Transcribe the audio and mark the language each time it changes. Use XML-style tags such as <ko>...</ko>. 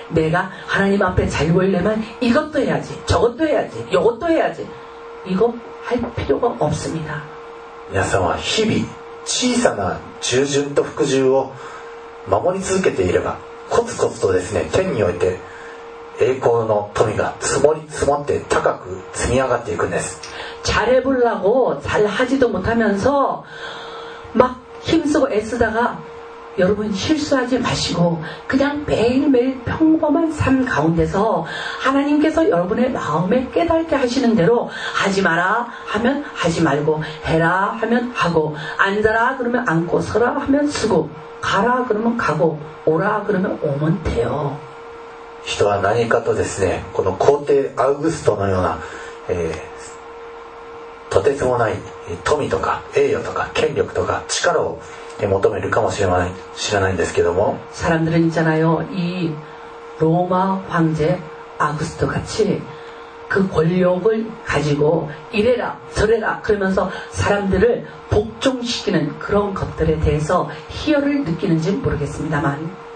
<ko>내가 하나님 앞에 잘 보이려면 이것도 해야지 저것도 해야지 이것도 해야지 이거 할 필요가 없습니다.</ko> <ja>皆さんは日々小さな従順と服従を守り続けていれば、コツコツとですね、天において栄光の富が積もり積もって高く積み上がっていくんです。</ja> <ko>잘해보려고 잘하지도 못하면서 막 힘쓰고 애쓰다가 여러분 실수하지 마시고 그냥 매일매일 평범한 삶 가운데서 하나님께서 여러분의 마음에 깨닫게 하시는 대로 하지 마라 하면 하지 말고 해라 하면 하고 앉아라 그러면 앉고 서라 하면 서고 가라 그러면 가고 오라 그러면 오면 돼요.</ko> <ja>人は何かとですね、この皇帝アウグストのような、とてつもない富とか栄誉とか権力とか力を求めるかもしれない、知らないんですけども、</ja> <ko>사람들은있잖아요이로마황제아우구스토같이그권력을가지고이래라저래라그러면서사람들을복종시키는그런것들에대해서희열을느끼는지모르겠습니다만</ko>